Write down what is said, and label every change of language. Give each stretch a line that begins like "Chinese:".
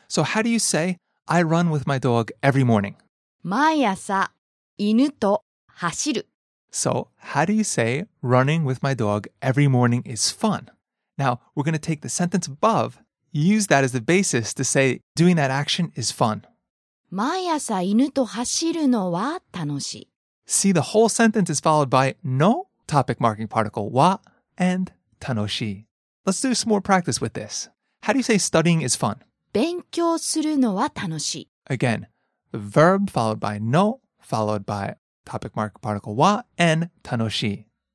English: So how do you say, I run with my dog every morning?
Japanese: 毎朝、犬と走る。
English: So how do you say, running with my dog every morning is fun? Now, we're going to take the sentence above... Use that as the basis to say doing that action is fun.
Japanese: 毎朝犬と走るのは楽しい。
English: See, the whole sentence is followed by の topic marking particle は and 楽しい. Let's do some more practice with this. How do you say studying is fun?
Japanese: 勉強するのは楽しい.
English: Again, the verb followed by の followed by topic marking particle は and 楽しい.